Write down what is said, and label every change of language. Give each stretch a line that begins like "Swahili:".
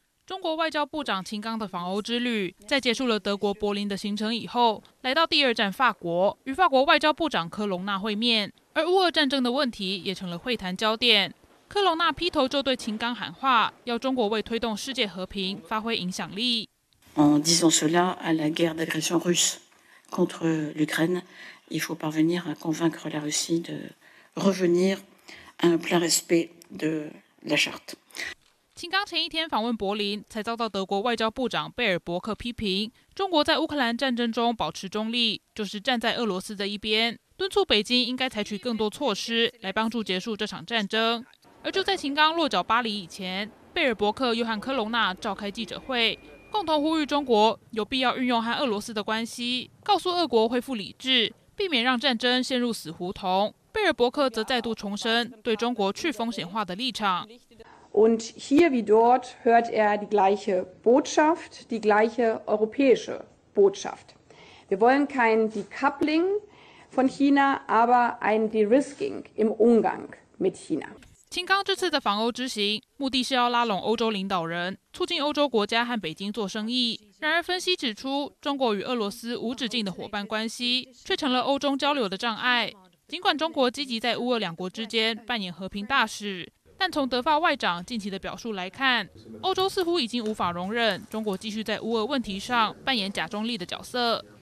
Chinese: 中国外交部长秦刚的访欧之旅在结束了德国柏林的行程以后，来到第二站法国，与法国外交部长科隆纳会面，而乌俄战争的问题也成了会谈焦点。科隆纳劈头就对秦刚喊话，要中国为推动世界和平发挥影响力。
French: En disant cela à la guerre d'agression russe contre l'Ukraine, il faut parvenir à convaincre la Russie de revenir à un plein respect de la charte.
Chinese: 秦刚前一天访问柏林，才遭到德国外交部长贝尔伯克批评，中国在乌克兰战争中保持中立，就是站在俄罗斯的一边，敦促北京应该采取更多措施来帮助结束这场战争。而就在秦刚落脚巴黎以前，贝尔伯克又和科隆纳召开记者会。共同呼吁中国有必要运用和俄罗斯的关系，告诉俄国恢复理智，避免让战争陷入死胡同。贝尔伯克则再度重申对中国去风险化的立场。
German: Und hier wie dort hört die gleiche Botschaft, die gleiche europäische Botschaft. Wir wollen kein Decoupling von China, aber ein De-risking im Umgang mit China.
Chinese: 秦刚这次的访欧之行，目的是要拉拢欧洲领导人，促进欧洲国家和北京做生意。然而，分析指出，中国与俄罗斯无止境的伙伴关系，却成了欧中交流的障碍。尽管中国积极在乌俄两国之间扮演和平大使，但从德法外长近期的表述来看，欧洲似乎已经无法容忍中国继续在乌俄问题上扮演假中立的角色。